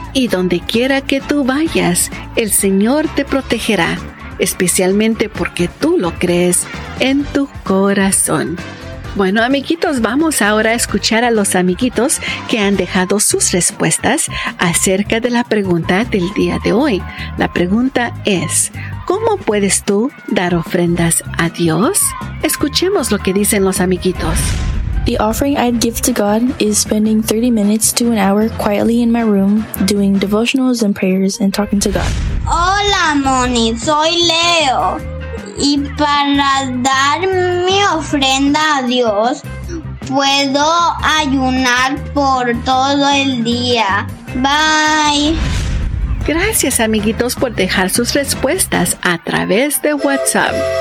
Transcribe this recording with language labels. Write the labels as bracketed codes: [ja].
[es] Y donde quiera que tú vayas, el Señor te protegerá, especialmente porque tú lo crees en tu corazón. Bueno, amiguitos, vamos ahora a escuchar a los amiguitos que han dejado sus respuestas acerca de la pregunta del día de hoy. La pregunta es, ¿cómo puedes tú dar ofrendas a Dios? Escuchemos lo que dicen los amiguitos. [en] The offering I'd give to God is spending 30 minutes to an hour quietly in my room doing devotionals and prayers and talking to God. [es] Hola, Moni. Soy Leo. Y para dar mi ofrenda a Dios, puedo ayunar por todo el día. [en] Bye. [es] Gracias, amiguitos, por dejar sus respuestas a través de WhatsApp.